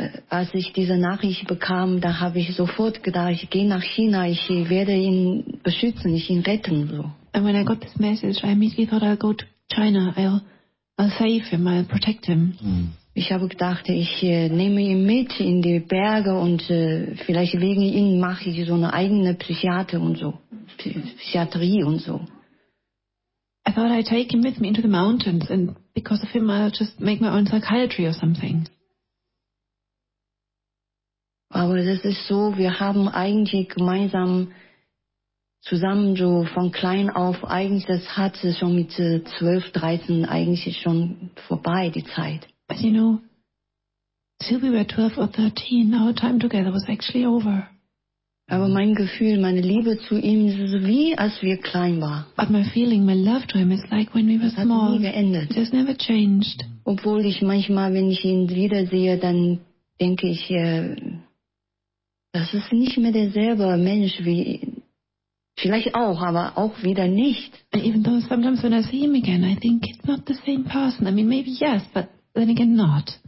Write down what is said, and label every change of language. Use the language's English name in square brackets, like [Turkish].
[German] Als ich diese Nachricht bekam, da habe ich sofort gedacht, ich gehe nach China, ich werde ihn beschützen, ich ihn retten, so. [English] And when I got this message, I immediately thought I'll go to China, I'll save him, I'll protect him. Mm. [German] Ich habe gedacht, ich nehme ihn mit in die Berge und vielleicht wegen ihm mache ich so eine eigene Psychiater und so, Psychiatrie und so. [English] I thought I'd take him with me into the mountains and because of him I'll just make my own psychiatry or something. [German] Aber das ist so, wir haben eigentlich gemeinsam zusammen so von klein auf, eigentlich das hat schon mit 12, 13 eigentlich schon vorbei, die Zeit. [English] But you know, till we were 12 or 13, our time together was actually over. [German] Aber mein Gefühl, meine Liebe zu ihm ist wie, als wir klein waren. [English] But my feeling, my love to him is like when we were small. [German] Das hat nie geendet. [English] It has never changed. [German] Obwohl ich manchmal, wenn ich ihn wiedersehe, dann denke ich, das ist nicht mehr derselbe Mensch wie, vielleicht auch, aber auch wieder nicht. [English] Even though sometimes when I see him again, I think it's not the same person. I mean, maybe yes, but then again, not.